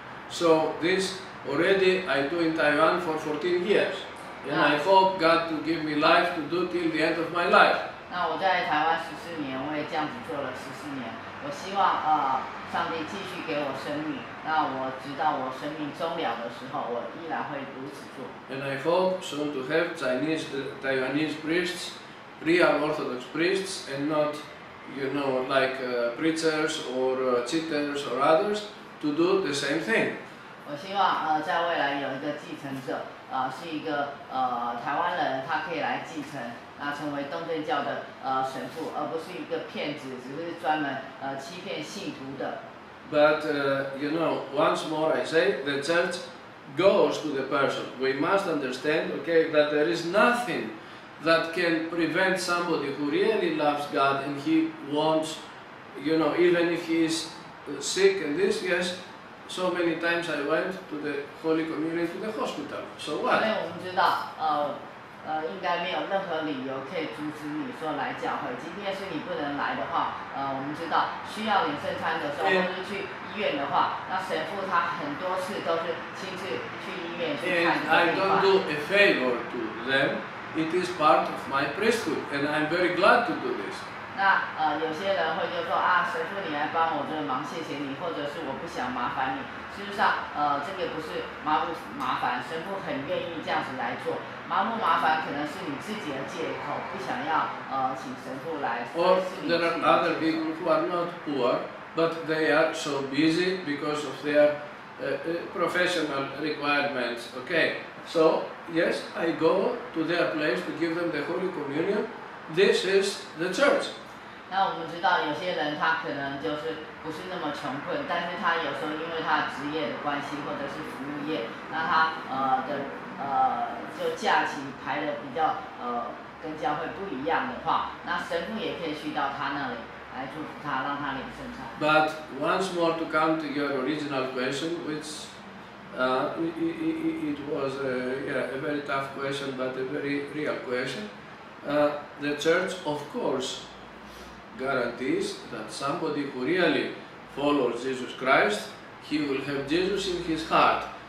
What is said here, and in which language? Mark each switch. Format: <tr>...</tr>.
<en>So this already I do in Taiwan for 14 years, and I hope God to give me life to do till the end of my life.</en> <zh>那我在台湾十四年，我也这样子做了十四年。我希望上帝继续给我生命，那我直到我生命终了的时候，我依然会如此做。</zh> <en>And I hope soon to have Chinese, Taiwanese priests, real Orthodox priests, and not, you know, like preachers or cheaters or others, to do the same thing.</en> <zh>我希望在未来有一个继承者，是一个台湾人，他可以来继承。那成为东正教的神父，而不是一个骗子，只是专门欺骗信徒的。</zh> <en>But you know, once more I say, the church goes to the person. We must understand, okay, that there is nothing that can prevent somebody who really loves God and he wants, you know, even if he is sick and this, yes. So many times I went to the Holy Communion to the hospital. So what?</en> <zh>因为我们知道，应该没有任何理由可以阻止你说来教会。即便是你不能来的话，我们知道需要领圣餐的时候，或是去医院的话，那神父他很多次都是亲自去医院去看病。</zh> <en>And I don't do a favor to them. It is part of my priesthood, and I'm very glad to do this.</en> <zh>那有些人会就说啊，神父你来帮我这个忙，谢谢你，或者是我不想麻烦你。事实上，这个不是麻不麻烦，神父很愿意这样子来做。麻不麻烦可能是你自己的借口，不想要请神父来。</zh> <en>Or there are other people who are not poor, but they are so busy because of their professional requirements. Okay, so yes, I go to their place to give them the Holy Communion. This is the church.</en> <zh>那我们知道有些人他可能就是不是那么穷困，但是他有时候因为他职业的关系或者是服务业，那他就假期排的比较跟教会不一样的话，那神父也可以去到他那里来祝福他，让他领圣餐。</zh> <en>But once more to come to your original question, which it was a very tough question, but a very real question. The church, of course, guarantees that somebody who really follows Jesus Christ, he will have Jesus in his heart.</en>